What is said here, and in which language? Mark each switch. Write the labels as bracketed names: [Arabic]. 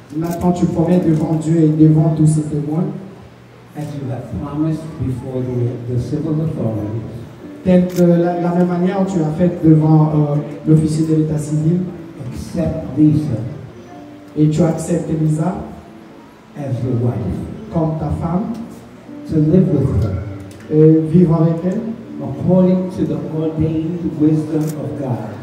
[French] Nathan, tu promets devant Dieu et devant tous ces témoins. [English] As you have promised before the civil authorities. [French] Telle que la même manière tu as fait devant l'officier de l'état civil. [English] Accept Lisa. [French] Et tu acceptes Lisa [English] as your wife. [French] Comme ta femme. [English] To live with her. [French] Et vivre avec elle. [English] According to the ordained wisdom of God.